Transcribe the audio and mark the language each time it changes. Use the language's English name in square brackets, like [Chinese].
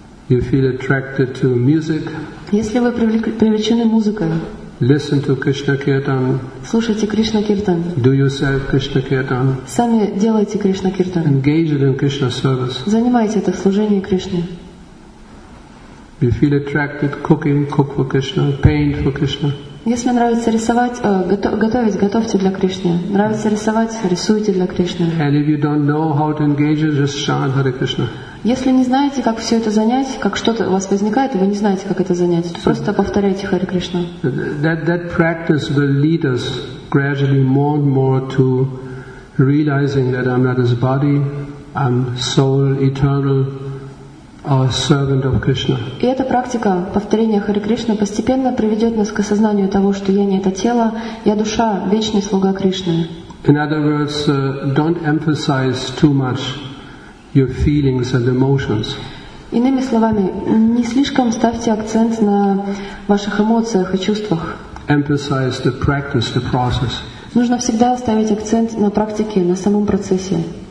[English] You feel attracted to music. [Russian] Если вы привлечены музыкой. [English] Listen to Krishna Kirtan. [Russian] Слушайте Кришна Киртан. [English] Do yourself Krishna Kirtan. [Russian] Сами делайте Кришна Киртан. [English] Engage in Krishna service. [Russian] Занимайте это в служении Кришне. [English] You feel attracted cooking, cook for Krishna, paint for Krishna. [Russian] Если нравится рисовать, готовить, готовьте для Кришны. Нравится рисовать, рисуйте для Кришны. [English] And if you don't know how to engage, just chant Hare Krishna. [Russian] Если не знаете, как все это занять, как что-то у вас возникает, и вы не знаете, как это занять, то просто повторяйте Хари Кришна. [English] That practice will lead us gradually more and more to realizing that I'm not his body, I'm soul, eternal, a servant of Krishna. [Russian] И эта практика повторения Хари Кришна постепенно приведет нас к осознанию того, что я не это тело, я душа, вечный слуга Кришны. [English] In other words, don't emphasize too much your feelings and emotions. [Russian] Иными словами, не слишком ставьте акцент на ваших эмоциях и чувствах. [English] Emphasize the practice, the process. [Russian] Нужно всегда ставить акцент на практике, на самом процессе.